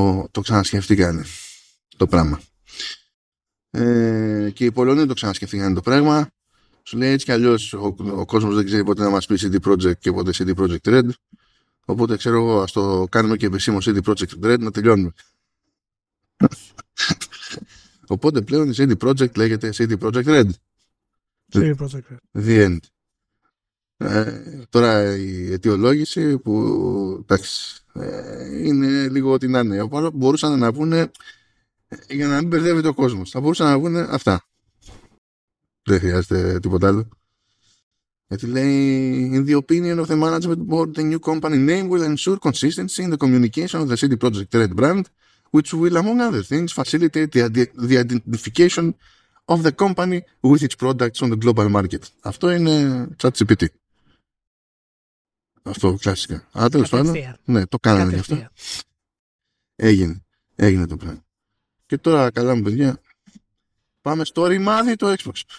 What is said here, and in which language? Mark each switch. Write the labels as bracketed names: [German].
[Greek] Το ξανασκεφτήκαν το πράγμα. Και οι Πολωνοί το ξανασκεφτήκαν το πράγμα. Σου λέει έτσι κι αλλιώς ο κόσμος δεν ξέρει πότε να μας πει CD Projekt και πότε CD Projekt Red. Οπότε ξέρω εγώ, ας το κάνουμε και επισήμω CD Projekt Red να τελειώνουμε. Οπότε πλέον η CD Projekt λέγεται CD Projekt Red. CD Projekt Red. [English] The end. [Greek] Τώρα η αιτιολόγηση που εντάξει, είναι λίγο ό,τι να είναι. Οπότε μπορούσαν να πούνε, για να μην μπερδεύεται ο κόσμος, θα μπορούσαν να πούνε αυτά. Δεν χρειάζεται τίποτα άλλο. Γιατί λέει, [English] in the opinion of the management board, the new company name will ensure consistency in the communication of the CD Projekt Red brand, which will, among other things, facilitate the identification of the company with its products on the global market. [Greek] Αυτό είναι ChatGPT. Αυτό, κλασικά. Αλλά τέλος πάντων, ναι, το κάνανε γι' αυτό. Έγινε το πράγμα. Και τώρα, καλά μου παιδιά, πάμε στο ρημάδι το Xbox.